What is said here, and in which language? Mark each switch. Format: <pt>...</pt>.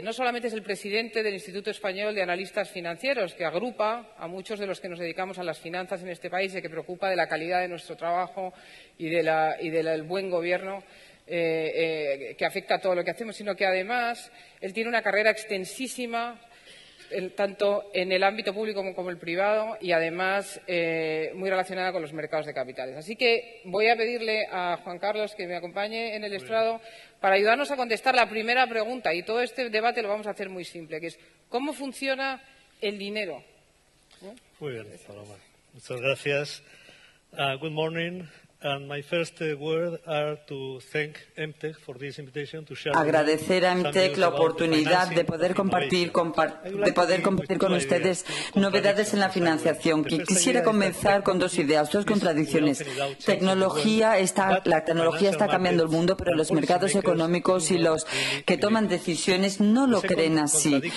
<es>No solamente es el presidente del Instituto Español de Analistas Financieros, que agrupa a muchos de los que nos dedicamos a las finanzas en este país y que preocupa de la calidad de nuestro trabajo y del buen gobierno que afecta a todo lo que hacemos, sino que además él tiene una carrera extensísima, tanto en el ámbito público como en el privado, y además muy relacionada con los mercados de capitales. Así que voy a pedirle a Juan Carlos que me acompañe en el estrado para ayudarnos a contestar la primera pregunta, y todo este debate lo vamos a hacer muy simple, que es ¿cómo funciona el dinero? ¿Eh? Muy bien, Paloma. Muchas gracias.</es> <en>Good morning. And my first word are to thank EMTEC for this invitation to share.</en> <es>Agradecer a EMTEC la oportunidad de poder compartir con ustedes novedades en la financiación. Quisiera comenzar con dos ideas, dos contradicciones. La tecnología está cambiando el mundo, pero los mercados económicos y los que toman decisiones no lo creen así.</es>